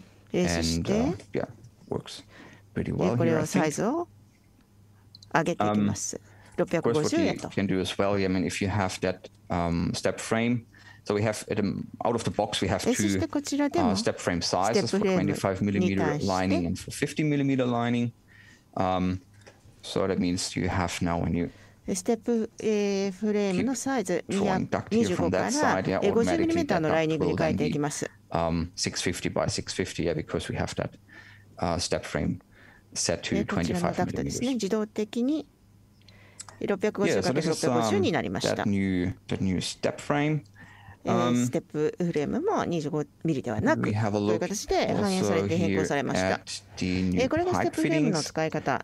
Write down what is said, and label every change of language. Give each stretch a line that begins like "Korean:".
Japanese: そして、これをサイズを上げていきます。 650円と。
English: So we have out of the box we have two step frame sizes for 25mm lining and for 50mm lining. So that means you have now when you
Japanese: step フレームのサイズ25mm のライニングに変えていきます。
English: 650 by 650 yeah because we have that step frame set to 25mm.
Japanese: 自動的に650×650 になりました。
English: That new step frame.
Japanese: ステップフレームも25ミリではなくという形で反映されて変更されました。これがステップフレームの使い方